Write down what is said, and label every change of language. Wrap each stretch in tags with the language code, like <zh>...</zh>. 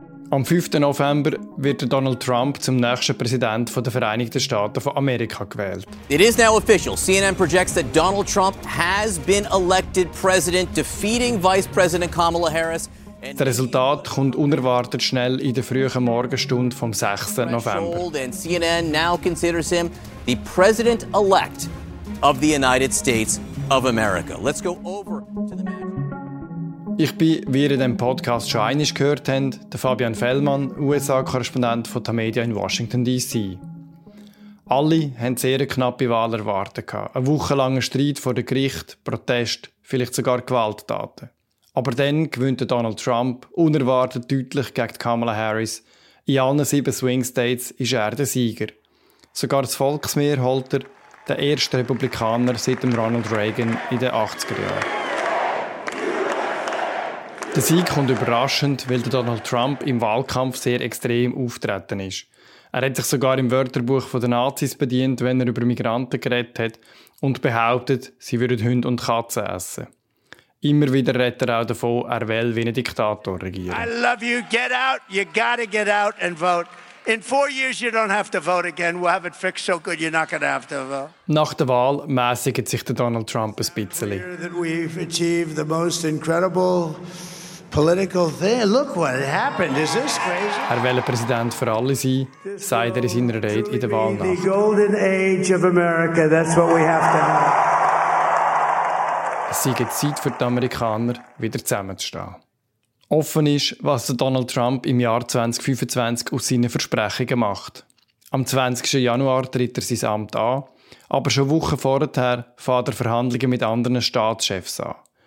<de>Am 5. November wird Donald Trump zum nächsten Präsident der Vereinigten Staaten von Amerika gewählt.</de> <en>It is now official. CNN projects that Donald Trump has been elected president, defeating Vice President Kamala Harris.</en> <de>Das Resultat kommt unerwartet schnell in der frühen Morgenstunde vom 6. November.</de> <en>CNN now considers him the president-elect of the United States of America. Let's go over to the man.</en> <de>Ich bin, wie ihr den Podcast schon einmal gehört habt, der Fabian Fellmann, USA-Korrespondent von Tamedia in Washington, D.C. Alle haben sehr knappe Wahl erwartet. Ein wochenlanger Streit vor dem Gericht, Protest, vielleicht sogar Gewalttaten. Aber dann gewinnt Donald Trump unerwartet deutlich gegen Kamala Harris. In allen 7 Swing States ist er der Sieger. Sogar das Volksmeer holt er, der erste Republikaner seit dem Ronald Reagan in den 80er Jahren. Der Sieg kommt überraschend, weil Donald Trump im Wahlkampf sehr extrem auftreten ist. Er hat sich sogar im Wörterbuch der Nazis bedient, wenn er über Migranten geredet hat und behauptet, sie würden Hunde und Katzen essen. Immer wieder redet er auch davon, er will wie ein Diktator regieren.</de> <en>I love you, get out, you gotta get out and vote. In 4 years you don't have to vote again, we'll have it fixed so good you're not gonna have to vote.</en> <de>Nach der Wahl mäßigt sich Donald Trump ein bisschen.</de> <en>That we've achieved the most incredible political thing. Look what happened. Is this crazy?</en> <de>Er will Präsident für alle sein, sagt er in seiner Rede in der Wahlnacht.</de> <en>The golden age of America, that's what we have to have.</en> <de>Es sei Zeit für die Amerikaner, wieder zusammenzustehen. Offen ist, was Donald Trump im Jahr 2025 aus seinen Versprechungen macht. Am 20. Januar tritt er sein Amt an, aber schon Wochen vorher fährt er Verhandlungen mit anderen Staatschefs an.</de>